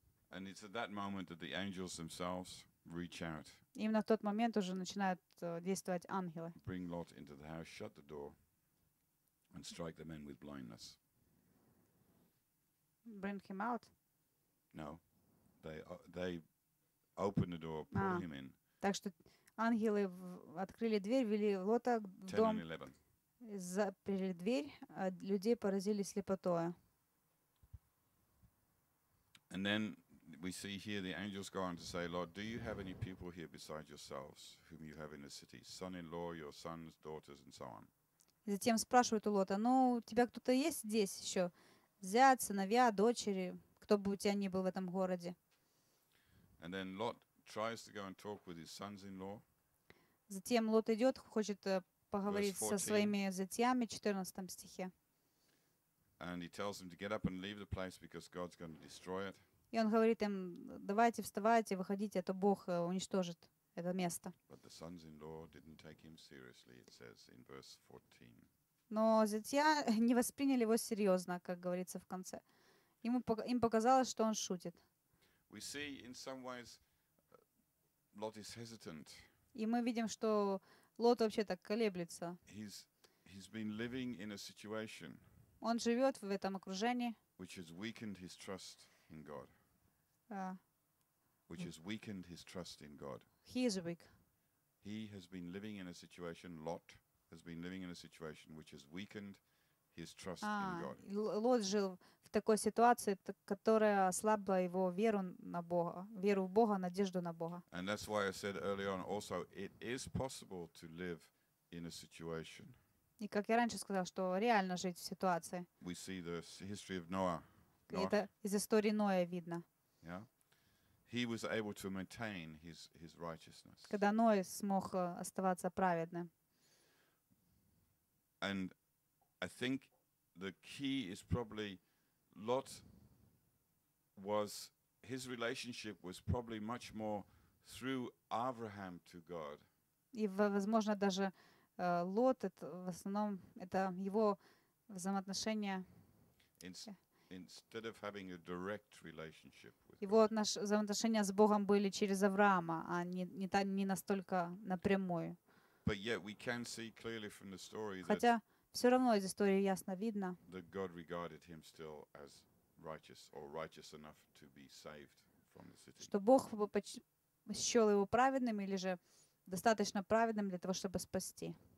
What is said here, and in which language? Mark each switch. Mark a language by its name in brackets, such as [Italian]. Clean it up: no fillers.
[English] And it's at that moment that the angels themselves reach out. [Russian] Именно в тот момент уже начинают действовать ангелы. [English] Bring Lot into the house, shut the door, and strike the men with blindness. Bring him out? No. They open the door, pull him in. [Russian] Так что ангелы открыли дверь, вели Лота в дом. Заперли дверь, а людей поразили слепотою. [English] And then we see here the angels go on to say, Lord, do you have any people here besides yourselves, whom you have in the city? Son-in-law, your sons, daughters, and so on. [Russian] Затем спрашивают у Лота, ну, у тебя кто-то есть здесь еще? Зять, сыновья, дочери, кто бы у тебя ни был в этом городе. [English] And then Lot tries to go and talk with his sons-in-law. [Russian] Затем Лот идет, хочет поговорить со своими зятьями, 14 стихе. [English] And he tells them to get up and leave the place because God's going to destroy it. [Russian] И он говорит им, давайте, вставайте, выходите, а то Бог уничтожит это место. [English] But the sons-in-law didn't take him seriously, it says in verse 14. [Russian] Но зятья не восприняли его серьезно, как говорится в конце. Им показалось, что он шутит. [English] We see in some ways Lot is hesitant. [Russian] И мы видим, что Лот вообще так колеблется. [English] He's been living in a situation. [Russian] Он живет в этом окружении. [English] Which has weakened his trust in God. Which has weakened his trust in God. He is weak. He has been living in a situation. Lot has been living in a situation which has weakened his trust in God. [Russian] Лот жил в такой ситуации, которая ослабила его веру на Бога, веру в Бога, надежду на Бога. [English] And that's why I said early on also, it is possible to live in a situation. [Russian] И как я раньше сказал, что реально жить в ситуации. [English] We see the history of Noah. [Russian] Это из истории Ноя видно. [English] Yeah. He was able to maintain his righteousness. [Russian] Когда Ной смог оставаться праведным. [English] And I think the key is probably Lot was his relationship was probably much more through Abraham to God. [Russian] И возможно даже Лот в основном это его взаимоотношения. [English] Instead of having a direct relationship with [Russian] его взаимоотношения с Богом были через Авраама, а не настолько напрямую. [English] But yet we can see clearly from the story that [Russian] хотя все равно из истории ясно видно, [English] that God regarded him still as righteous or righteous enough to be saved from the city. [Russian] Что Бог счел его праведным или же достаточно праведным для того, чтобы спасти.